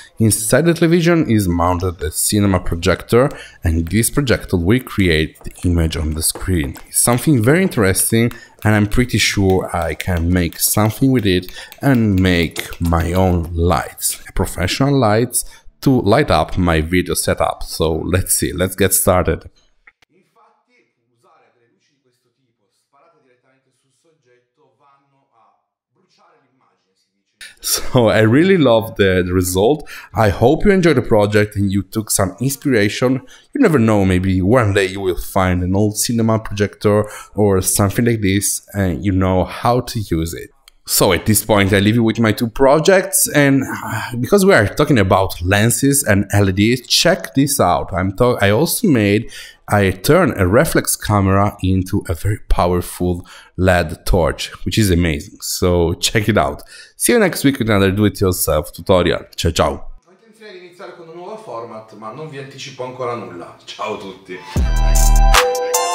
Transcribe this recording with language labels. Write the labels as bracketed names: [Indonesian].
[English] Inside the television is mounted a cinema projector, and this projector will create the image on the screen. Something very interesting, and I'm pretty sure I can make something with it and make my own lights, professional lights to light up my video setup. So let's see, let's get started. [Italian] Infatti, usare delle luci di questo tipo sparate direttamente sul soggetto vanno a bruciare l'immagine, si dice. [English] So I really love the result. I hope you enjoyed the project and you took some inspiration. You never know, maybe one day you will find an old cinema projector or something like this and you know how to use it. So at this point I leave you with my two projects, and because we are talking about lenses and LEDs, check this out. I turn a reflex camera into a very powerful LED torch, which is amazing. So check it out. See you next week with another do-it-yourself tutorial. [Italian] Ciao ciao. Ho intenzione di iniziare con un nuovo format, ma non vi anticipo ancora nulla. Ciao a tutti.